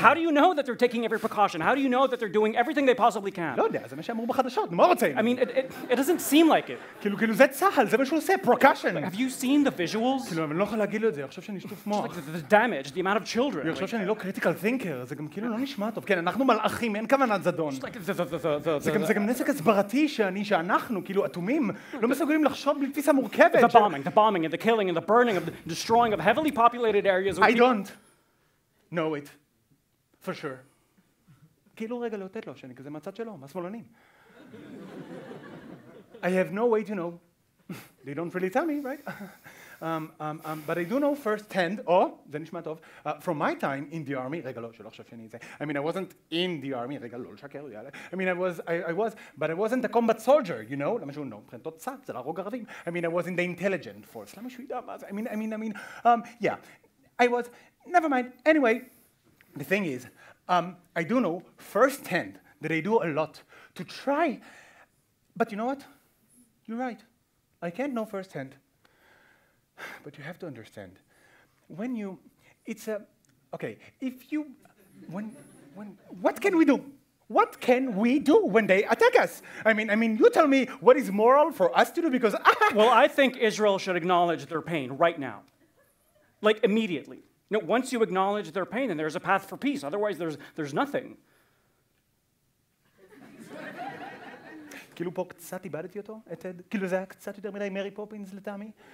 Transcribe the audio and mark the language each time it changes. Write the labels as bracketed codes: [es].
[en] How do you know that they're taking every precaution? How do you know that they're doing everything they possibly can? [he] לא יודע, זה מה שאמרו בחדשות, מה רוצים? [en] I mean, it doesn't seem like it. [he] כאילו זה צהל, זה מה שהוא עושה, precaution. [en] Have you seen the visuals? [he] כאילו, אני לא יכול להגיד לו את זה, אני חושב שאני שטוף מוח. [en] It's like the damage, the amount of children. [he] אני חושב שאני לא [en] critical thinker, [he] זה גם כאילו לא נשמע טוב. כן, אנחנו מלאכים, אין כוונת זדון. זה גם נזק הסברתי שאנחנו, כאילו, אטומים, לא מסוגלים לחשוב בלי תפיסה מורכבת. [en] The bombing, and the killing, and the burning, and the destroying of heavily populated areas. I don't know it for sure. [he] כאילו רגע לאותת לו שאני כזה מצד שלו, מהשמאלנים. [en] I have no way to know. They don't really tell me, right? But I do know firsthand, or, [he] זה נשמע טוב, [en] from my time in the army, [he] רגע לא, שלא חושב שאני את זה. [en] I mean, I wasn't in the army, [he] רגע לא, לשקר, יאללה. [en] I mean, I was, but I wasn't a combat soldier, you know? [he] למה שהוא לא, מבחינת תוצאה, זה להרוג ערבים. [en] I mean, I was in the intelligent force. [he] למה שהוא ידע מה זה? [en] I mean, yeah. I was, never mind. Anyway, the thing is, I do know firsthand that I do a lot to try, but you know what? You're right. I can't know firsthand. But you have to understand, when you, it's a, okay, if you, when, what can we do? What can we do when they attack us? I mean, you tell me what is moral for us to do because, Well, I think Israel should acknowledge their pain right now. Like, immediately. No, once you acknowledge their pain, then there's a path for peace. Otherwise, there's nothing. [he] כאילו פה קצת איבדתי אותו, את עד, כאילו זה היה קצת יותר מדי מרי פופינס לטעמי.